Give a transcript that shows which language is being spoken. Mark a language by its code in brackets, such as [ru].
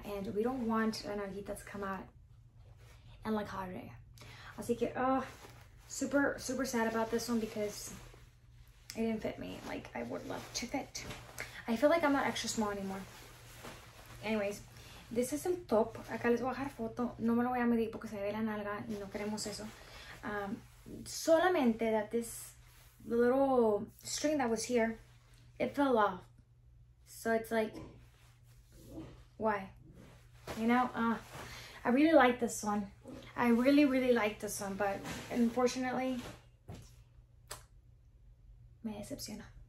[en] And we don't want [es] la nalguita [en] to come out and like holiday. Así que, super sad about this one because it didn't fit me. Like, I would love to fit. I feel like I'm not extra small anymore. Anyways. This is the top. [es] Acá les voy a dejar foto. No me lo voy a medir porque se ve la nalga y no queremos eso. Solamente [en] that this little string that was here, it fell off. So it's like, why? You know, I really like this one. I really like this one, but unfortunately, [es] me decepciona.